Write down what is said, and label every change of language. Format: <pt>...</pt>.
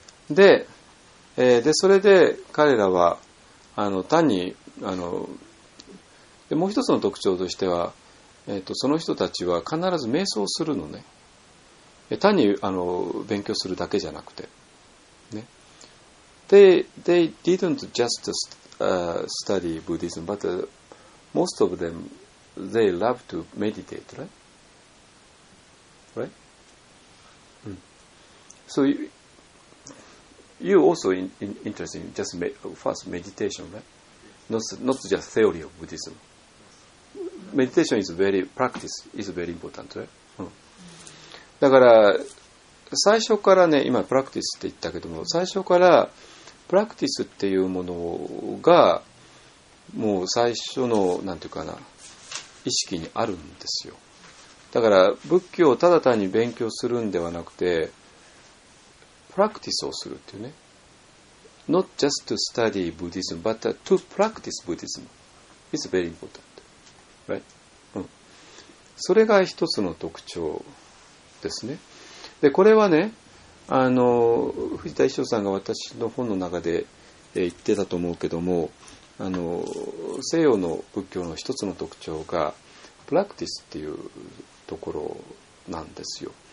<ja>で、それで彼らは、単に、もう一つの特徴としては、その人たちは必ず瞑想するのね。単に、勉強するだけじゃなくて。</ja> <en>They didn't just study Buddhism, but most of them, they love to meditate, right? Mm. So you also interested in just first meditation, right? Not just theory of Buddhism. Meditation is very, practice is very important, right? Mm.</en> <ja>だから最初からね、今プラクティスって言ったけども、最初からプラクティスっていうものがもう最初のなんていうかな意識にあるんですよ。だから仏教をただ単に勉強するんではなくてプラクティスをするっていうね。</ja> <en>Not just to study Buddhism, but to practice Buddhism is very important, right?</en> <ja>うん。それが一つの特徴ですね。でこれはね。藤田一生さんが私の本の中で、言ってたと思うけども西洋の仏教の一つの特徴がプラクティスっていうところなんですよ。</ja>